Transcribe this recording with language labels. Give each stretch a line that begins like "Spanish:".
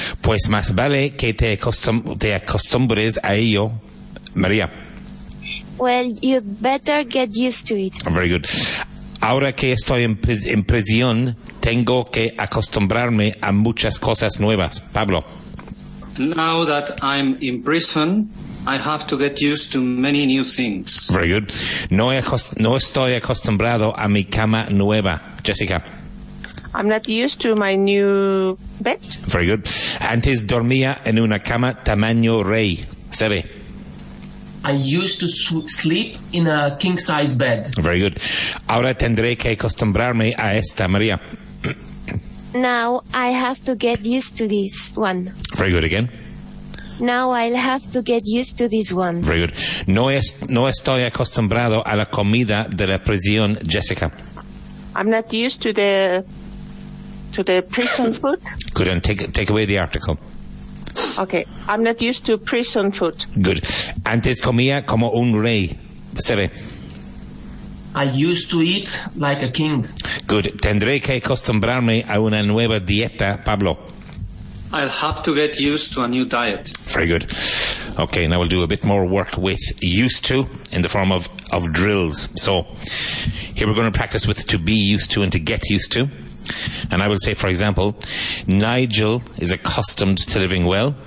Spanish: Pues más vale que te acostumbres a ello, María.
English: Well, you'd better get used to it. Very good.
Spanish: Ahora que estoy en prisión, tengo que acostumbrarme a muchas cosas nuevas. Pablo.
English: Now that I'm in prison, I have to get used to many new things. Very good.
Spanish: No estoy acostumbrado a mi cama nueva. Jessica.
English: I'm not used to my new bed. Very good.
Spanish: Antes dormía en una cama tamaño rey. Sebe.
English: I used to sleep in a king-size bed. Very good.
Spanish: Ahora tendré que acostumbrarme a esta, María.
English: Now I have to get used to this one. Very good. Again. Now I'll have to get used to this one. Very good.
Spanish: No estoy acostumbrado a la comida de la prisión, Jessica.
English: I'm not used to the prison food. Good. And take away the article. Okay, I'm not used to prison food.
Spanish: Good. Antes comía como un rey. Se ve.
English: I used to eat like a king. Good.
Spanish: Tendré que acostumbrarme a una nueva dieta, Pablo.
English: I'll have to get used to a new diet. Very good. Okay, now we'll do a bit more work with used to in the form of drills. So here we're going to practice with to be used to and to get used to. And I will say, for example, Nigel is accustomed to living well.